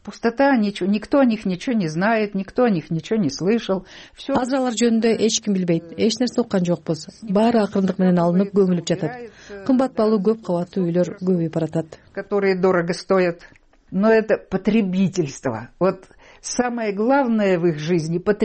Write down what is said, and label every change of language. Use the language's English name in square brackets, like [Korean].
[Russian] Пустота, ничего, никто о них ничего не знает, никто о них ничего не слышал. Все. [Kyrgyz] Азыр алар жөнүндө эч ким билбейт. Эч нерсе уккан жокпуз. Баары акырындык менен алынып көмүлүп жатат. Кымбат баалуу көп кабаттуу үйлөр көбөйүп баратат. [Russian] Которые дорого стоят. Но это потребительство. Вот самое главное в их жизни